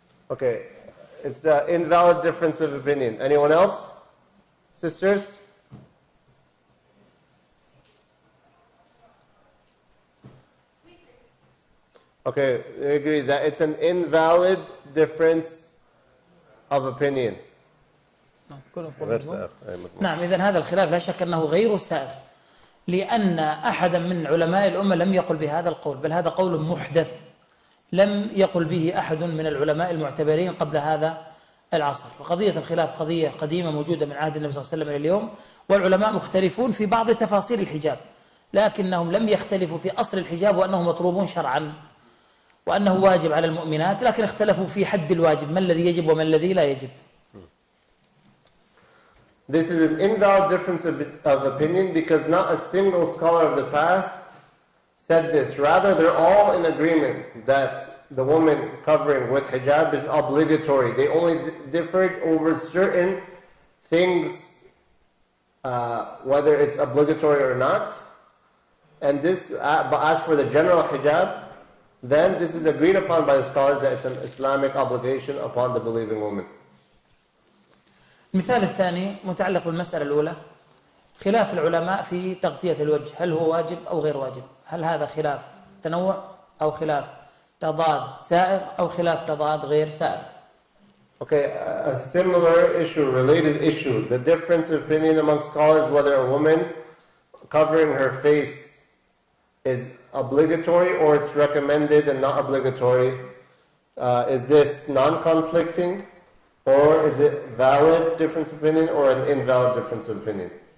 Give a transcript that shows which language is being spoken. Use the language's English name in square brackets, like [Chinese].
[English] Okay, it's an invalid difference of opinion. Anyone else? Sisters? Okay, I agree that it's an invalid difference of opinion. [Arabic] نعم إذن هذا الخلاف لا شك أنه غير سائر لأن أحدا من علماء الأمة لم يقل بهذا القول بل هذا قول محدث لم يقل به أحد من العلماء المعتبرين قبل هذا العصر فقضية الخلاف قضية قديمة موجودة من عهد النبي صلى الله عليه وسلم إلى اليوم والعلماء مختلفون في بعض تفاصيل الحجاب لكنهم لم يختلفوا في أصل الحجاب وأنه مطلوب شرعا وأنه واجب على المؤمنات لكن اختلفوا في حد الواجب ما الذي يجب وما الذي لا يجب. [English] This is an invalid difference of opinion because not a single scholar of the past said this. Rather, they're all in agreement that the woman covering with hijab is obligatory. They only differed over certain things, whether it's obligatory or not. And this, but as for the general hijab, then this is agreed upon by the scholars that it's an Islamic obligation upon the believing woman. [Arabic] المثال الثاني متعلق بالمسألة الأولى خلاف العلماء في تغطية الوجه هل هو واجب أو غير واجب هل هذا خلاف تنوع أو خلاف تضاد سائر أو خلاف تضاد غير سائر [English] Okay, a similar issue, related issue the difference of opinion among scholars whether a woman covering her face is obligatory or it's recommended and not obligatory is this non-conflicting Or is it valid difference of opinion or an invalid difference of opinion?